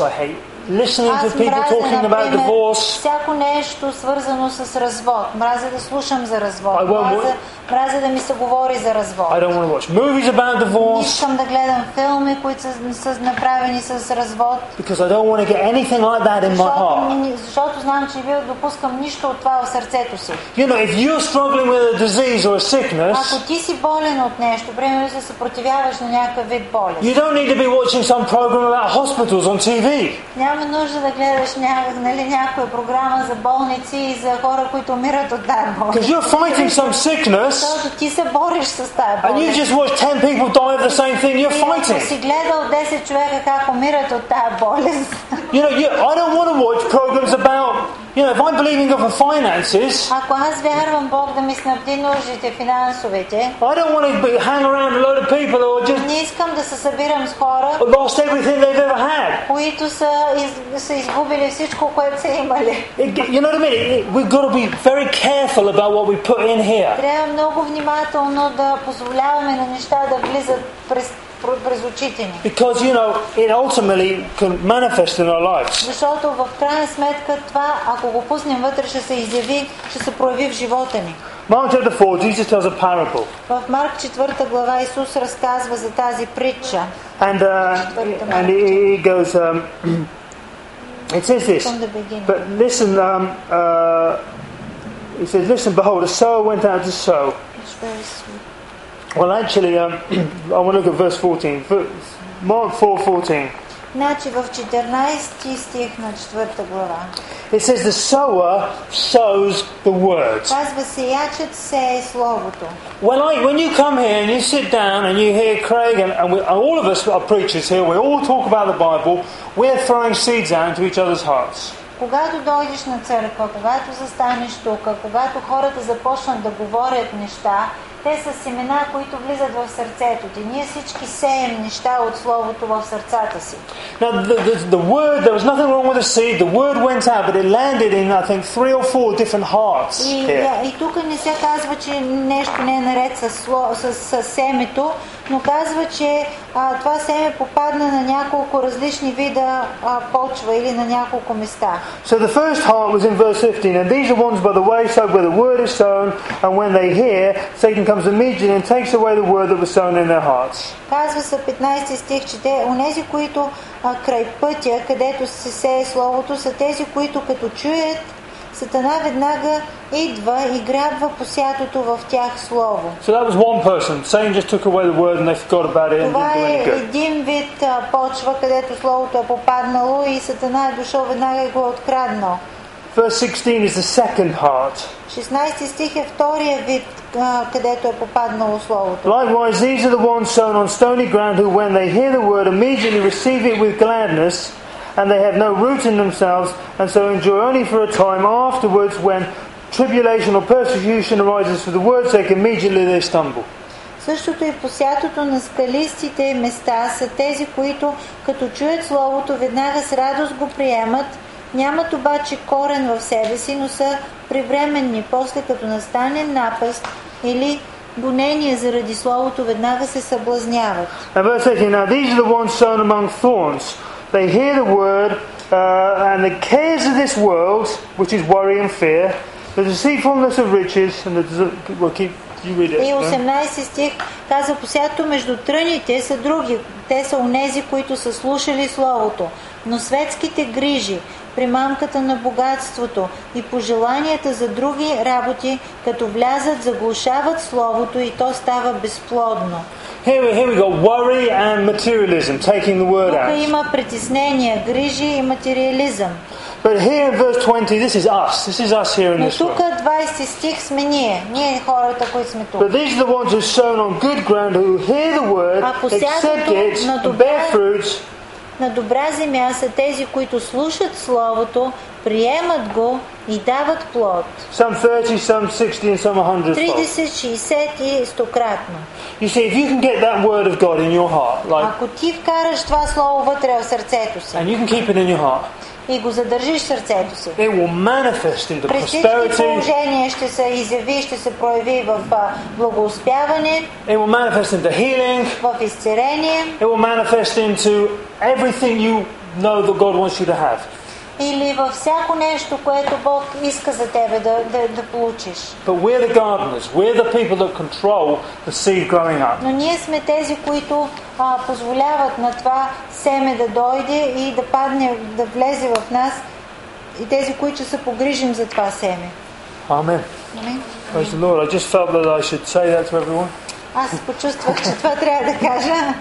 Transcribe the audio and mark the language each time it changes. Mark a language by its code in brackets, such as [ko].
[en] I hate listening to people talking about divorce. [bg] Всяко нещо свързано с развод. Мразя да слушам за развод. Мразя да ми се говори за развод. [en] I don't want to watch movies about divorce. [bg] Не искам да гледам филми, които са направени с развод. [en] Because I don't want to get anything like that in my heart. [bg] Защото знам, че вие допускам нищо от това в сърцето си. [en] You know, if you're struggling with a disease or a sickness, [bg] ако ти си болен от нещо, примерно се съпротивяваш на някакъв вид болест, [en] you don't need to be watching some program about hospitals on TV. [bg] Няма нужда да гледаш някоя програма за болници и за хора, които умират от тая болест. [en] Because you're fighting some sickness. [bg] Защото ти се бориш с тая болест. [en] And you just watch 10 people die of the same thing. You're fighting. [bg] Си гледал 10 човека как умират от тая болест. [en] You know, I don't want to watch programs about You know, if I'm believing God for finances, I don't want to be, hang around a load of people or just [bg] не искам да се събирам с хора, [en] lost everything they've ever had. [bg] Които са, са изгубили всичко, което са имали. [en] You know what I mean? We've got to be very careful about what we put in here. [bg] Трябва много внимателно да позволяваме на неща да влизат през. [en] Because you know it ultimately can manifest in our lives. [bg] Защото в крайна сметка това, ако го пуснем вътре, ще се изяви, ще се прояви в живота ни. [en] Mark chapter 4, Jesus tells a parable. [bg] В Марк 4 глава Исус разказва за тази притча. [en] And he goes, it says this. But listen, he says, listen, behold, a sower went out to sow. Well, actually, I want to look at verse 14. Mark 4:14. [bg] Значи в 14 стих на 4 глава. [en] It says the sower sows the word. [bg] Казва сеячът сее словото. [en] Well, when you come here and you sit down and you hear Craig and all of us are preachers here, we all talk about the Bible. We're throwing seeds out into each other's hearts. [bg] Когато дойдеш на църква, когато застанеш тука, когато хората започнат да говорят неща, те са семена, които влизат в сърцето ти. Ние всички сеем неща от словото в сърцата си. [en] Now the word, there was nothing wrong with the seed. The word went out, but it landed in, I think, three or four different hearts. [bg] И тук не се казва, че нещо не е наред с семето, но казва, че това семе попадна на няколко различни вида почва или на няколко места. [en] So the first heart was in verse 15, and these are ones by the wayside where the word is sown, and when they hear, Satan comes immediately and takes away the word that was sown in their hearts. [bg] Казва се 15 стих, че онези, които край пътя, където се сее словото, са тези, които като чуят, Сатана веднага идва и грабва посятото в тях слово. [en] So that was one person. Satan just took away the word and they forgot about it and didn't do any good. [bg] Това е един вид почва, където словото е попаднало и Сатана е дошъл веднага и го е откраднал. [en] Verse 16 is the second heart. [bg] 16 стих е втория вид, където е попаднало словото. [en] Likewise, these are the ones sown on stony ground who, when they hear the word, immediately receive it with gladness, and they have no root in themselves, and so endure only for a time. Afterwards, when tribulation or persecution arises for the word's sake, immediately they stumble. [bg] Същото и посятото на скалистите места са тези, които като чуят словото, веднага с радост го приемат. Нямат обаче корен в себе си, но са привременни. После като настане напаст или гонение заради словото, веднага се съблазняват. [en] And verse 18, now these are the ones sown among thorns. They hear the word, and the cares of this world, which is worry and fear, the deceitfulness of riches, and the we'll keep. [bg] И 18 стих казва, посято между тръните са други, те са онези, които са слушали Словото, но светските грижи, примамката на богатството и пожеланията за други работи, като влязат, заглушават Словото и то става безплодно. [en] Here we got worry and materialism, taking the word out. [bg] Тук има притеснения, грижи и материализъм. [en] But here in verse 20, this is us. This is us here in this world. [bg] 20 стих сме ние. Ние хората, които сме тук. [en] But these are the ones who are sown on good ground, who hear the word, accept it, and bear fruits. [bg] На добра земя са тези, които слушат словото, приемат го и дават плод. [en] Some 30, some 60, and some 100. [bg] 30, 60 и 100 кратно. [en] You see, if you can get that word of God in your heart, like, [bg] ако ти вкараш това слово вътре в сърцето си, [en] and you can keep it in your heart, [bg] и го задържиш в сърцето си, [en] it will manifest into prosperity. [bg] При всички положения ще се изяви, ще се прояви в благоуспяване. [en] It will manifest into healing. [bg] В изцерение. [en] It will manifest into everything you know that God wants you to have. [bg] Или във всяко нещо, което Бог иска за тебе да получиш. [en] But we're the gardeners. We're the people that control the seed growing up. [bg] Но ние сме тези, които позволяват на това семе да дойде и да падне, да влезе в нас, и тези, които се погрижим за това семе. [en] Amen. Praise the Lord. I just felt that I should say that to everyone. [bg] Аз почувствах, че това трябва да кажа.